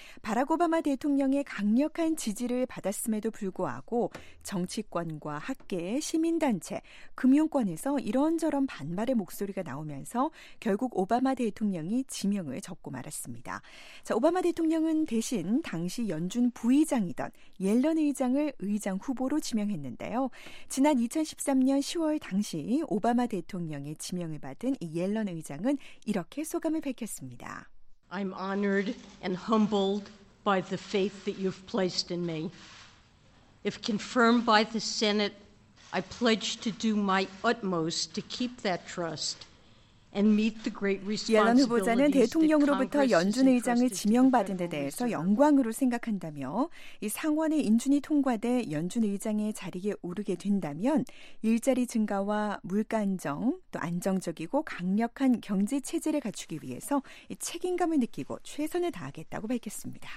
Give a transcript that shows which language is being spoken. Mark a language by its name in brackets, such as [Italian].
[Korean] 바락 오바마 대통령의 강력한 지지를 받았음에도 불구하고 정치권과 학계, 시민단체, 금융권에서 이런저런 반발의 목소리가 나오면서 결국 오바마 대통령이 지명을 접고 말았습니다. 자, 오바마 대통령은 대신 당시 연준 부의장이던 옐런 의장을 의장 후보로 지명했는데요. 지난 2013년 10월 당시 오바마 대통령의 지명을 받은 이 옐런 의장은 이렇게 소감을 밝혔습니다. [English] I'm honored and humbled by the faith that you've placed in me. If confirmed by the Senate, I pledge to do my utmost to keep that trust and meet the great responsibilities. [Korean] 옐런 후보자는 대통령으로부터 연준 의장을 지명받은 데 대해서 영광으로 생각한다며 이 상원의 인준이 통과돼 연준 의장의 자리에 오르게 된다면 일자리 증가와 물가 안정, 또 안정적이고 강력한 경제 체제를 갖추기 위해서 이 책임감을 느끼고 최선을 다하겠다고 밝혔습니다.